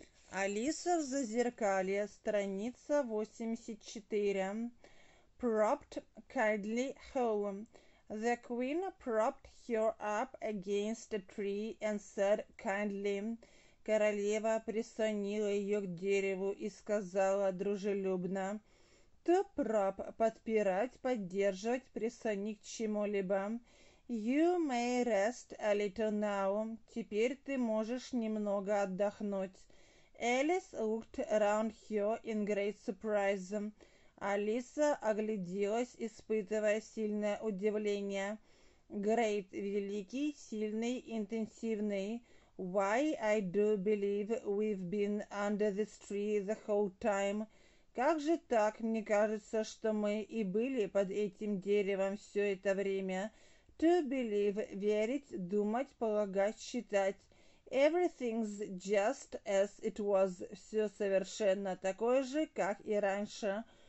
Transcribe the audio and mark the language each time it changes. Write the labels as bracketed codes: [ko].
[ru] Алиса в Зазеркалье, страница 84. [en] Propped kindly home. The queen propped her up against a tree and said kindly. [ru] Королева прислонила ее к дереву и сказала дружелюбно. [en] To prop [ru] – подпирать, поддерживать, прислонить к чему-либо. [en] You may rest a little now. [ru] Теперь ты можешь немного отдохнуть. [en] Alice looked around her in great surprise. [ru] Алиса огляделась, испытывая сильное удивление. Great – великий, сильный, интенсивный. [en] Why I do believe we've been under this tree the whole time. [ru] Как же так, мне кажется, что мы и были под этим деревом все это время. [en] To believe [ru] – верить, думать, полагать, считать. [en] Everything's just as it was. [ru] Все совершенно такое же, как и раньше.